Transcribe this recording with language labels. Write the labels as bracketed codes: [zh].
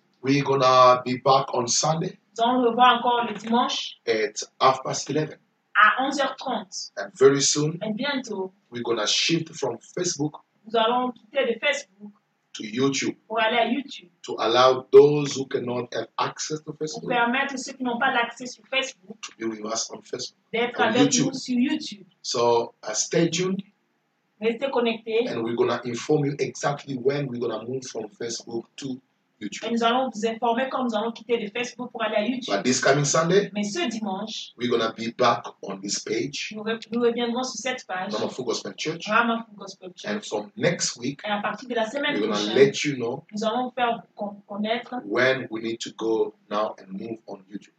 [en] We're gonna be back on Sunday. [fr] Donc, on revoit encore le dimanche. [en] At 11:30. [fr] À 11h30. [en] And very soon. [fr] Et bientôt. [en] We're gonna shift from Facebook. [fr] Nous allons quitter de Facebook. [en] To YouTube, [fr] pour aller à YouTube. [en] To allow those who cannot have access to Facebook. [fr] Pour permettre ceux qui n'ont pas l'accès sur Facebook. [en] To be with us on Facebook. [fr] D'être avec nous sur YouTube. [en] So stay tuned. [fr] Restez connectés. [en] And we're gonna inform you exactly when we're gonna move from Facebook to YouTube. [fr] Et nous allons vous informer quand nous allons quitter de Facebook pour aller à YouTube. [en] But this coming Sunday. [fr] Mais ce dimanche. [en] We're gonna be back on this page. [fr] Nous reviendrons sur cette page. [en] Mama Fou Gospel Church. [fr] Mama Fou Gospel Church. [en] And from next week. [fr] Et à partir de la semaine [en] we're [fr] prochaine. [en] Let you know. [fr] Nous allons vous faire connaître. [en] When we need to go now and move on YouTube.